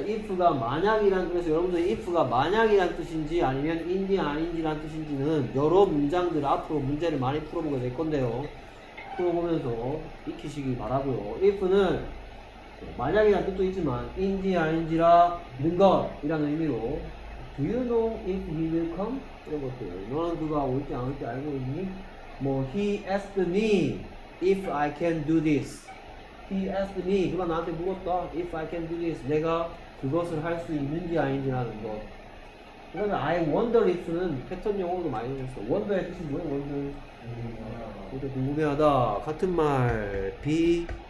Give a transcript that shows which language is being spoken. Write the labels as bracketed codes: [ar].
[ko] if가 만약이란, 그래서 여러분들 if가 만약이란 뜻인지 아니면 인지 아닌지란 뜻인지는 여러 문장들 앞으로 문제를 많이 풀어보게 될 건데요. 풀어보면서 익히시기 바라고요. if는 만약이란 뜻도 있지만 인지 아닌지라는 것이라는 의미로 [en] Do you know if he will come? [ko] 이런 것들. 너는 그가 올지 안 올지 알고 있니? 뭐, [en] he asked me if I can do this. He asked me. [ko] 그가 나한테 물었다. [en] If I can do this. [ko] 내가 그것을 할 수 있는지 아닌지라는 것. 그 다음에 [en] I wonder if [ko] 는 패턴 용어도 많이 넣었어. wonder의 뜻이 뭐예요? wonder. 궁금해하다. 같은 말. be